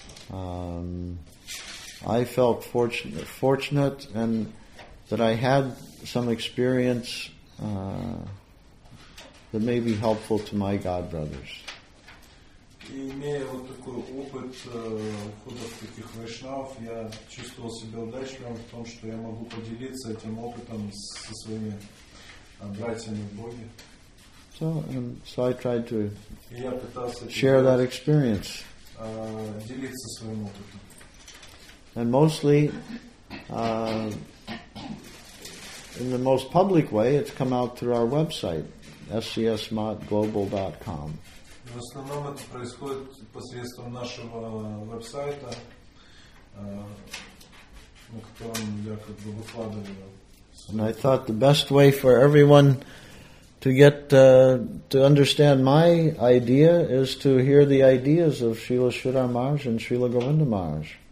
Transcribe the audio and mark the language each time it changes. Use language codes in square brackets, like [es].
[en] I felt fortunate and that I had some experience that may be helpful to my God brothers. [ru] И имея вот такой опыт ухода таких вайшнав, я чувствовал себя удачным в том, что я могу поделиться этим опытом со своими братьями в Боге. [en] So I tried to share that experience. [ru] Делиться своим опытом. [en] And mostly, in the most public way, it's come out through our website, scsmotglobal.com. [ru] В основном это происходит посредством нашего веб-сайта, на котором я как бы выкладываю. [en] And I thought the best way for everyone to get to understand my idea is to hear the ideas of Srila Sridhar Maharaj and Srila Govinda Maharaj.